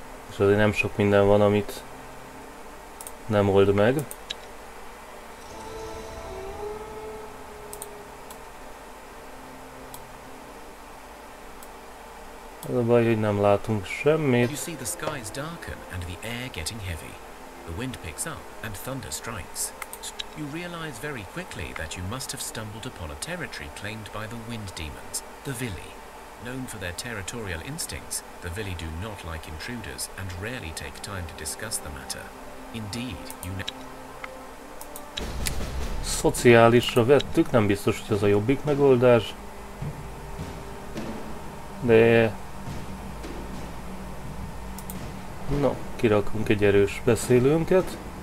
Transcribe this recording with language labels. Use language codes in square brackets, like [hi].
[hu] És azért nem sok minden van, amit nem old meg. Az a baj, hogy nem látunk semmit. [en] You see the skies darken and the air getting heavy. The wind picks up and thunder strikes. You realize very quickly that you must have stumbled upon a territory claimed by the wind demons, the Vili. Known for their territorial instincts, the Vili do not like intruders and rarely take time to discuss the matter. Indeed, you know. [hu] Szociálisra vettük, nem biztos, hogy ez a jobbik megoldás. De. Na, kirakunk egy erős beszélőnket.